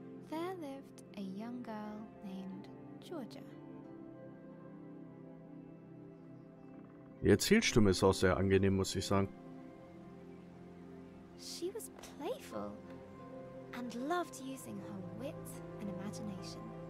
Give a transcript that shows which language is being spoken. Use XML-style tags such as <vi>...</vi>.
<en>There lived a young girl named Georgia.</en> <de>Die Erzählstimme ist auch sehr angenehm, muss ich sagen.</de> <en>She was playful and loved using her wit and imagination.</en>